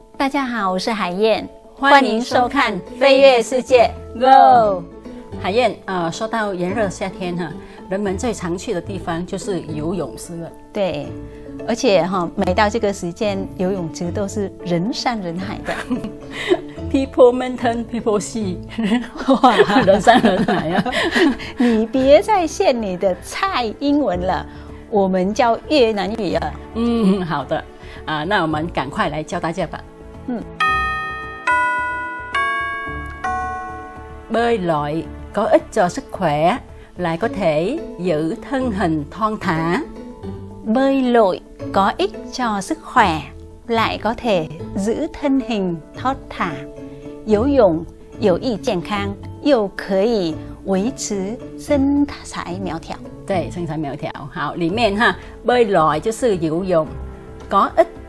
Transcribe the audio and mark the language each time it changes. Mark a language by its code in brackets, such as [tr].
[zh] 大家好，我是海燕。欢迎收看《飞跃世界》 [en] Go。 [zh] 海燕，说到炎热夏天哈，人们最常去的地方就是游泳池了。对，而且哈，每到这个时间，游泳池都是人山人海的。 [en] People mountain, people sea， [zh] 人山人海啊！你别再献你的菜英文了，我们叫越南语啊。嗯，好的。啊，那我们赶快来教大家吧。 [vi] 嗯，bơi lội có ích cho sức khỏe, lại có thể giữ thân hình thon thả. Bơi lội có ích cho sức khỏe, lại có thể giữ thân hình thon thả. [zh] 游泳有益健康，又可以维持身材苗条。对，身材苗条。好，里面哈 ，bơi lội 就是游泳 ，có ích。